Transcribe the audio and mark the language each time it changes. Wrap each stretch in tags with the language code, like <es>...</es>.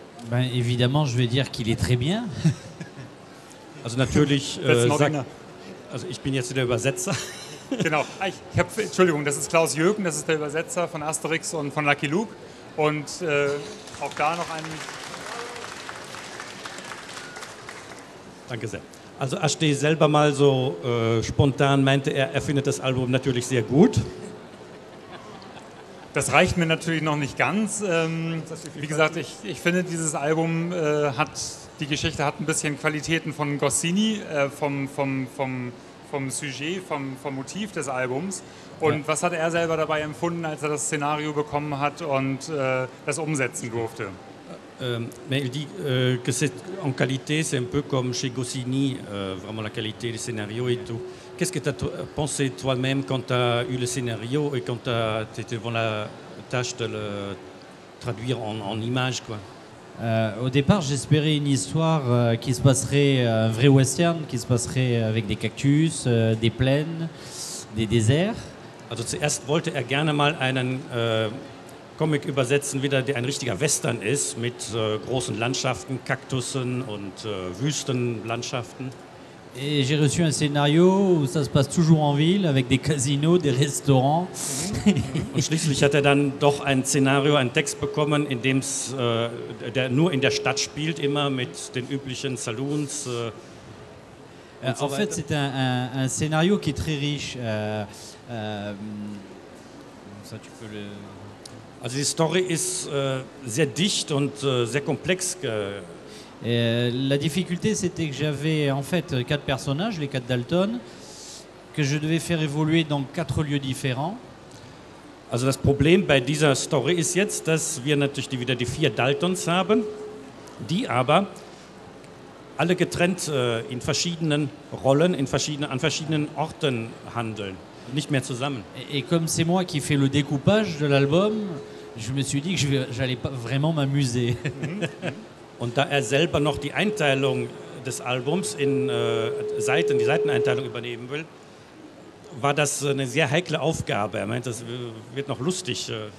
<fr>Ben, évidemment, je vais dire qu'il est très bien.</fr> <de>Also natürlich, also ich bin jetzt der Übersetzer. Genau, Entschuldigung, das ist Klaus Jürgen, das ist der Übersetzer von Asterix und von Lucky Luke. Und auch da noch ein... Danke sehr. Also Ashtay selber mal so spontan meinte, er findet das Album natürlich sehr gut. Das reicht mir natürlich noch nicht ganz. Wie gesagt, ich finde, dieses Album hat ein bisschen Qualitäten von Goscinny, vom Sujet, vom Motiv des Albums. Und ja. Was hat er selber dabei empfunden, als er das Szenario bekommen hat und das umsetzen durfte?</de> <fr>Mais il dit que c'est en qualité, c'est un peu comme chez Goscinny, vraiment la qualité du scénario et tout. Qu'est-ce que tu as pensé toi-même quand tu as eu le scénario et quand tu étais devant la tâche de le traduire en image, quoi? Au départ, j'espérais une histoire qui se passerait, un vrai western, qui se passerait avec des cactus, des plaines, des déserts.</fr> <de>Also zuerst wollte er gerne mal einen... Comic übersetzen, wieder, der ein richtiger Western ist, mit großen Landschaften, Kaktussen und Wüstenlandschaften.</de> <fr>Et j'ai reçu un scénario où ça se passe toujours en ville, avec des casinos, des restaurants.</fr> <de>Und schließlich hat er dann doch ein Szenario, einen Text bekommen, in dem es der nur in der Stadt spielt, immer mit den üblichen Saloons.</de> <fr>En fait, c'est un scénario qui est très riche. Ça, tu peux le...</fr> <de>Also die Story ist sehr dicht und sehr komplex.</de> <fr>La difficulté c'était que j'avais en fait quatre personnages, les quatre Dalton, que je devais faire évoluer dans quatre lieux différents.</fr> <de>Also das Problem bei dieser Story ist jetzt, dass wir natürlich wieder die vier Daltons haben, die aber alle getrennt in verschiedenen Rollen, an verschiedenen Orten handeln, nicht mehr zusammen.</de> <fr>Et comme c'est moi qui fais le découpage de l'album, je me suis dit que j'allais pas vraiment m'amuser.</fr> <de>Und da er selber noch die Einteilung des Albums in die Seiteneinteilung übernehmen will, war das eine sehr heikle Aufgabe. Er meint, das wird noch lustig.</de>